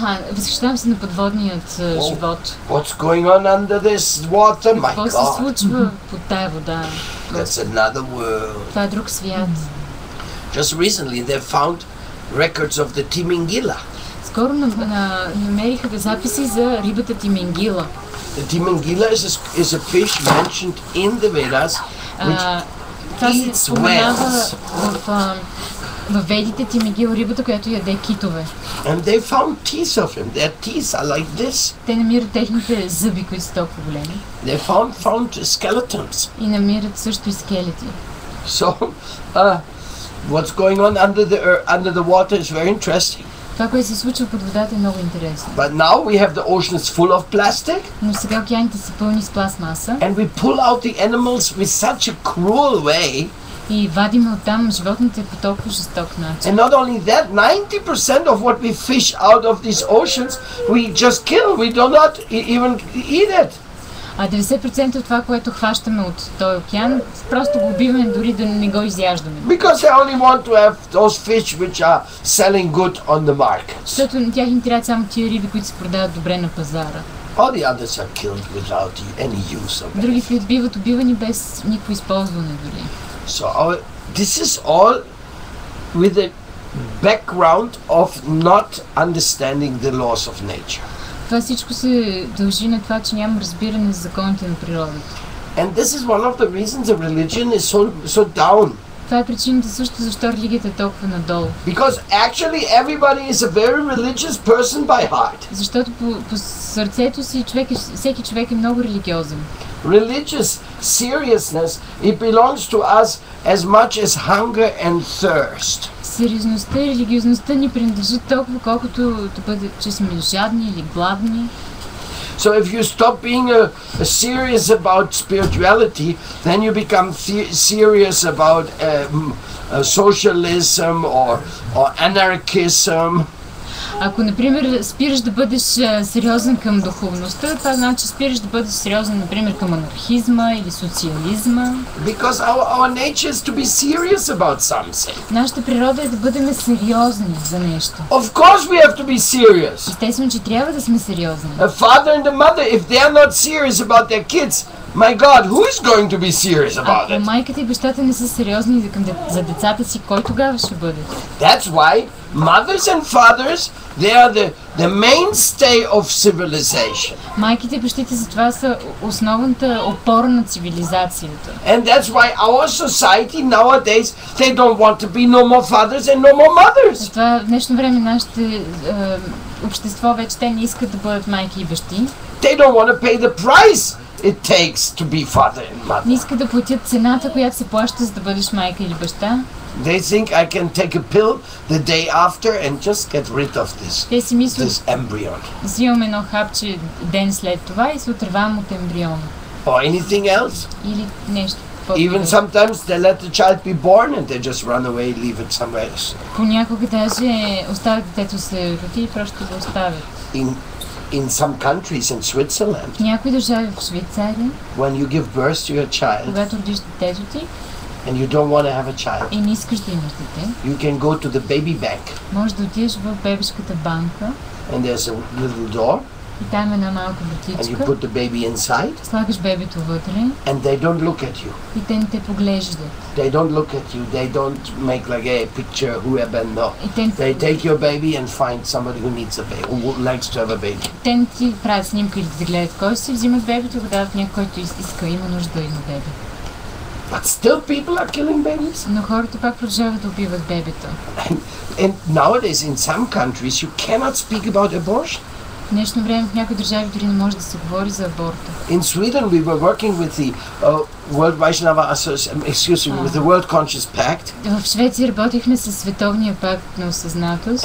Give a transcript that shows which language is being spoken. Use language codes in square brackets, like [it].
[bg] Възхищавам се на подводният живот. [en] What's going on under this water, my God? [bg] Какво се случва под тая вода? [en] That's another world. [bg] Това е друг свят. [en] Just recently they found records of the Timingila. [bg] наскоро намериха записи за рибата Тимингила. [en] Тимингила is a fish mentioned in the Vedas, which eats whales. [bg] В Ведите Тимингила рибата, която яде китове. [en] And they found teeth of him. Their teeth are like this. [bg] Те намират техните зъби, които са толкова големи. [en] They found skeletons. [bg] И намират също и скелети. [en] So, what's going on under the water is very interesting. [bg] Това, което се случва под водата, е много интересно. [en] But now we have the oceans full of plastic. [bg] Но сега океаните са пълни с пластмаса. [en] And we pull out the animals with such a cruel way. [bg] И вадим оттам животните по толкова жесток начин. [en] And not only that, 90% of what we fish out of these oceans, we just kill. We do not even eat it. [bg] А 90% от това, което хващаме от този океан, просто го убиваме, дори да не го изяждаме. [en] Because they only want to have those fish which are selling good on the market. [bg] Защото на тях им трябва само тия риби, които се продават добре на пазара. [en] All the others are killed without any use of it. [bg] Другите ги убиват, убивани без никакво използване дори. [en] So this is all with a background of not understanding the laws of nature. [bg] Това всичко се дължи на това, че няма разбиране за законите на природата. [en] And this is one of the reasons the religion is so down. [bg] Това е причината също защо религията е толкова надолу. [en] Because actually everybody is a very religious person by heart. [bg] Защото по сърцето си всеки човек е много религиозен. [en] Religious seriousness, it belongs to us as much as hunger and thirst. [bg] Сериозността и религиозността ни принадлежат толкова, колкото да бъде, че сме жадни или гладни. [en] So if you stop being a serious about spirituality, then you become serious about socialism or anarchism. [bg] Ако, например, спираш да бъдеш сериозен към духовността, това значи спираш да бъдеш сериозен, например, към анархизма или социализма. [en] Because our nature is to be serious about something. [bg] Нашата природа е да бъдем сериозни за нещо. [en] Of course we have to be serious. [bg] Естествено, че трябва да сме сериозни. [en] A father and a mother, if they are not serious about their kids, my God, who is going to be serious about it? [bg] Ако майката и бащата не са сериозни за децата си, кой тогава ще бъде? [en] That's why mothers and fathers, they are the mainstay of civilization. [bg] Майките и бащите за това са основната опора на цивилизацията. [en] And that's why our society nowadays, they don't want to be no more fathers and no more mothers. [bg] Това в днешно време нашите общество вече те не искат да бъдат майки и бащи. [en] They don't want to pay the price it takes to be father and mother. [bg] Не искат да платят цената, която се плаща, за да бъдеш майка или баща. [en] They think I can take a pill the day after and just get rid of this embryon. [bg] Взимам едно хапче ден след това и се отървам от ембриона. [en] Or anything else? [bg] Или нещо. [en] Even sometimes they let the child be born and they just run away and leave it somewhere else. [bg] Понякога даже оставят детето се роди и просто го оставят. [en] In some countries, in Switzerland, [bg] някои държави в Швейцария, [en] when you give birth to your child, [bg] когато родиш детето ти, [en] and you don't want to have a child, [bg] и не искаш да имаш дете, [en] you can go to the baby bank, [bg] можеш да отидеш в бебешката банка, [en] and there's a little door, [bg] и там една малка бутичка, [en] and you put the baby inside, [bg] слагаш бебето вътре, [en] and they don't look at you, [bg] и те не те поглеждат. [en] They don't look at you, they don't make like a picture, whoever, no. They take your baby and find somebody who needs a baby, who would like to have a baby. [bg] Те не ти правят снимка или да гледат кой си, взимат бебето, го дават някой, който иска, има нужда да има бебе. [en] But still people are killing babies. [bg] Но хората пак продължават да убиват бебето. [en] And nowadays in some countries you cannot speak about abortion. [bg] В днешно време в някои държави дори не може да се говори за аборта. [en] In Sweden we were working with the World Vaishnava Association, excuse me, with the World Conscious Pact. [bg] В Швеция работихме със Световния пакт на осъзнатост.